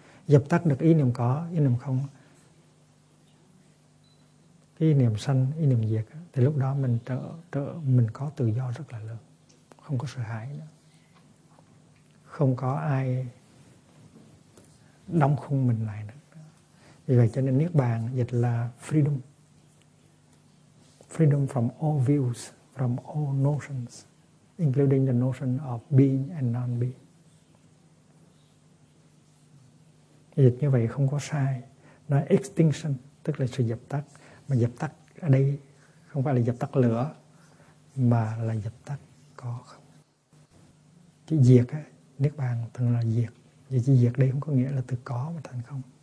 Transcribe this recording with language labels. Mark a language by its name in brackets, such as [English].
[Vietnamese] Dập tắt được ý niệm có, ý niệm không, ý niệm sanh, ý niệm diệt, thì lúc đó mình mình có tự do rất là lớn, không có sợ hãi nữa. Không có ai đóng khung mình lại nữa. Vì vậy cho nên Niết Bàn dịch là freedom. [English] Freedom from all views, from all notions, including the notion of being and non-being. [Vietnamese] Dịch như vậy không có sai. Nó extinction, tức là sự dập tắt. Mà dập tắt ở đây không phải là dập tắt lửa, mà là dập tắt có không. Chữ diệt á, Niết Bàn thường là diệt. Vậy chữ diệt đây không có nghĩa là từ có mà thành không.